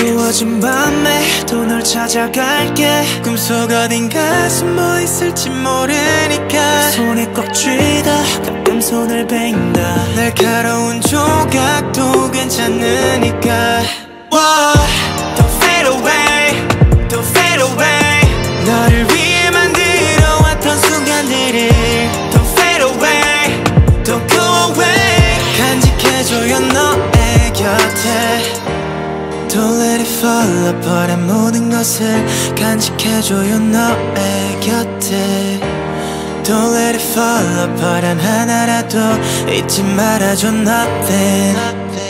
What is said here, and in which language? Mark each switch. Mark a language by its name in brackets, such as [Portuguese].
[Korean] 어두워진 밤에 또 널 찾아갈게 꿈속 어딘가 숨어 있을지 모르니까 손에 꽉 쥐다 가끔 손을 베인다 날카로운 조각도 괜찮으니까 [English] Whoa, Don't fade away Don't fade away [Korean] 너를 위해 만들어 왔던 순간들을 [English] Don't fade away Don't go away [Korean] 간직해줘요 너의 곁에 [English] Don't let it fall apart [Korean] 한 모든 것을 간직해줘요 너의 곁에 Don't let it fall apart 단 하나라도 잊지 말아줘 nothing